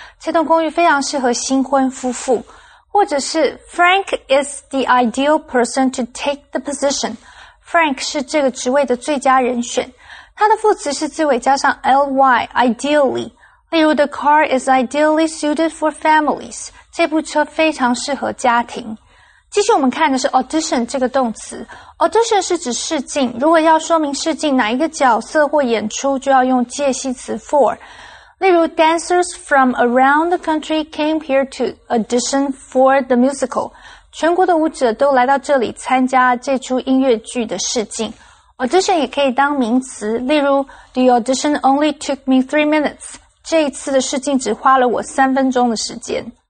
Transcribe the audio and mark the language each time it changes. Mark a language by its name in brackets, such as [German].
[Chinese] 这栋公寓非常适合新婚夫妇。或者是 [English] Frank is the ideal person to take the position. [Chinese] Frank 是这个职位的最佳人选。它的副词是字尾加上 ly, ideally. 例如 [English] The car is ideally suited for families. [Chinese] 这部车非常适合家庭。继续我们看的是 audition 这个动词。 Audition 是指试镜，如果要说明试镜哪一个角色或演出，就要用介系词 for。例如 [English] ,dancers from around the country came here to audition for the musical. [Chinese] 全国的舞者都来到这里参加这出音乐剧的试镜。 [English] Audition [Chinese] 也可以当名词，例如 [English] ,the audition only took me 3 minutes. [Chinese] 这一次的试镜只花了我3分钟的时间。